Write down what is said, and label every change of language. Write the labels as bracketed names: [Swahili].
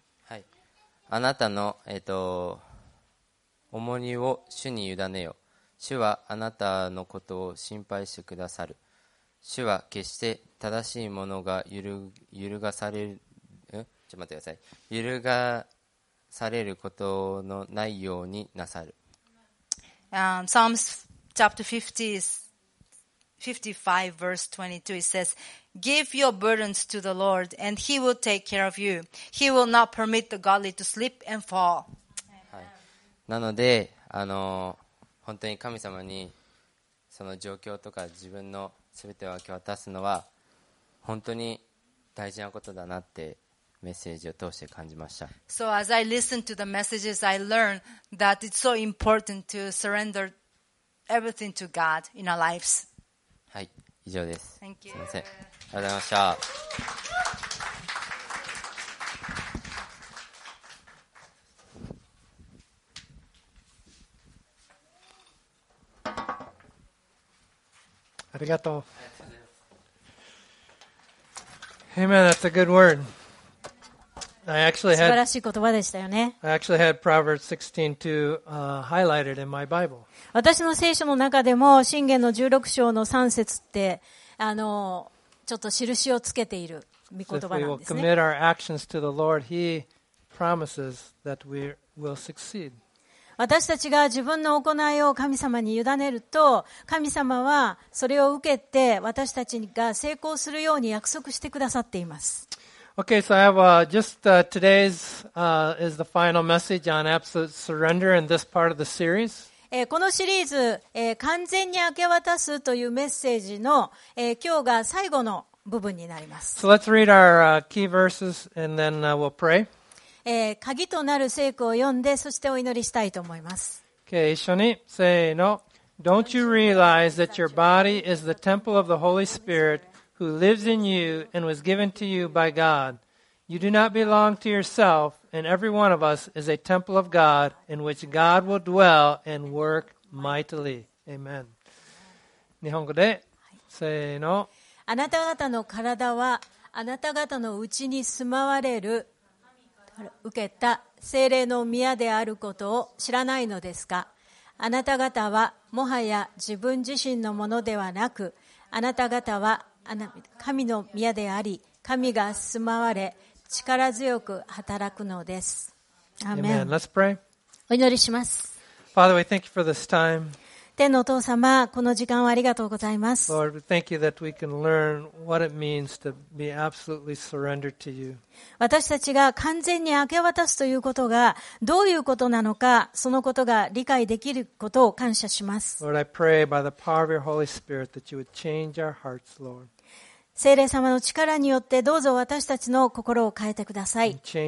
[Japanese] はい。あなたの重荷を主に委ねよ。主はあなたのことを心配してくださる。主は決して正しいものが揺るがされる。ちょっと待ってください。揺るがされることのないようになさる。 [English] Psalms Chapter 55, verse 22, it says, Give your burdens to the Lord, and He will take care of you. He will not permit the godly to slip and fall. [Japanese] はい。なので、本当に神様にその状況とか自分の全てを明け渡すのは本当に大事なことだなってメッセージを通して感じました。 [English] So as I listen to the messages, I learn that it's so important to surrender Everything to God in our lives. [Japanese] はい、以上です。 [English] Thank you. [Japanese] すみません。ありがとうございました。ありがとう。 [English] Hey man, that's a good word. I actually had [Japanese] 素晴らしい言葉でしたよね。 [English] I actually had Proverbs 16:2 highlighted in my Bible. [Japanese] 私の聖書の中でも箴言の16章の3節ってちょっと印をつけている御言葉なんですね。 [English] So if we will commit our actions to the Lord, He promises that we will succeed. [Japanese] 私たちが自分の行いを神様に委ねると神様はそれを受けて私たちが成功するように約束してくださっています。 [English] Okay, so I have today's is the final message on absolute surrender in this part of the series. [Japanese] このシリーズ、完全に明け渡すというメッセージの、今日が最後の部分になります。 [English] So let's read our key verses and then we'll pray. [Japanese] 鍵となる聖句を読んで、そしてお祈りしたいと思います。 Okay, 一緒に、せーの。 [English] Don't you realize that your body is the temple of the Holy Spirit who lives in you and was given to you by God? You do not belong to yourself. And every one of us is a temple of God in which God will dwell and work mightily. [Japanese] Amen. 日本語で、せーの。あなた方の体はあなた方のうちに住まわれる受けた聖霊の宮であることを知らないのですか。あなた方はもはや自分自身のものではなく、あなた方は神の宮であり、神が住まわれ力強く働くのです。アーメン。 [English] Let's pray. [Japanese] お祈りします。 [English] Father, we thank you for this time. [Japanese] 天のお父様、この時間をありがとうございます。 [English] Lord, we thank you that we can learn what it means to be absolutely surrendered to you. [Japanese] 私たちが完全に明け渡すということがどういうことなのか、そのことが理解できることを感謝します。 [English] Lord, I pray by the power of your Holy Spirit that you would change our hearts, Lord. [Japanese] 聖霊様の力によってどうぞ私たちの心を変えてください。